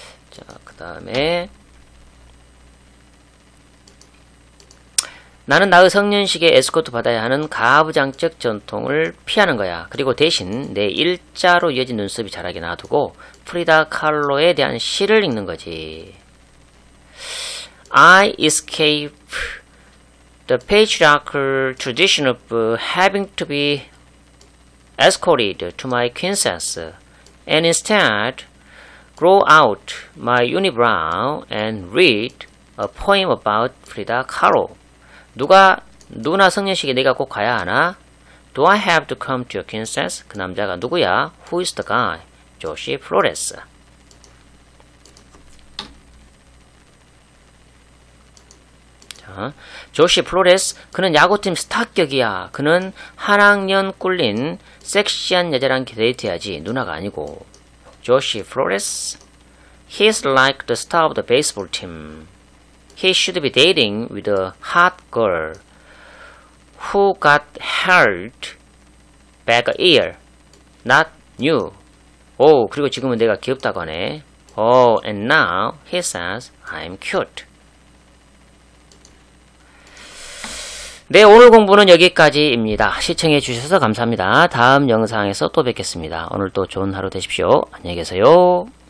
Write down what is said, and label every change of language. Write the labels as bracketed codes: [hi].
[ko] 자, 그 다음에 나는 나의 성년식에 에스코트 받아야 하는 가부장적 전통을 피하는 거야. 그리고 대신 내 일자로 이어진 눈썹이 자라게 놔두고 프리다 칼로에 대한 시를 읽는 거지. [en] I escape the patriarchal tradition of having to be escorted to my princess and instead grow out my unibrow and read a poem about Frida Kahlo. [ko] 누나 성년식에 내가 꼭 가야 하나? [en] Do I have to come to your princess? [ko] 그 남자가 누구야? [en] Who is the guy? Josh Flores. [ko] 조시 플로레스, 그는 야구팀 스타격이야. 그는 한 학년 꿀린 섹시한 여자랑 데이트해야지. 누나가 아니고. [en] 조시 플로레스, He's like the star of the baseball team. He should be dating with a hot girl who got held back a year. Not new. [ko] 오, 그리고 지금은 내가 귀엽다고 하네. [en] Oh, and now he says I'm cute. [ko] 네, 오늘 공부는 여기까지입니다. 시청해 주셔서 감사합니다. 다음 영상에서 또 뵙겠습니다. 오늘도 좋은 하루 되십시오. 안녕히 계세요.